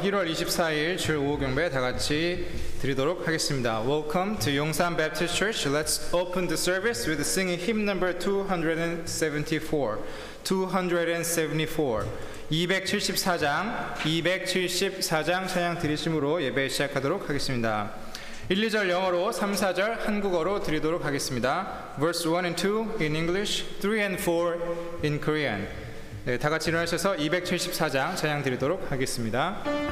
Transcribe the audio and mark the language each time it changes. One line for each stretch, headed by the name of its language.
Korean: 1월 24일 주일 오후 경배 다 같이 드리도록 하겠습니다.
English: Welcome to Yongsan Baptist Church. Let's open the service with singing hymn number 274.
Korean: 274장 찬양 드리심으로 예배 시작하도록 하겠습니다. 1, 2절 영어로, 3, 4절 한국어로 드리도록 하겠습니다.
English: Verse 1 and 2 in English, 3 and 4 in Korean.
Korean: 네, 다 같이 일어나셔서 274장 찬양 드리도록 하겠습니다.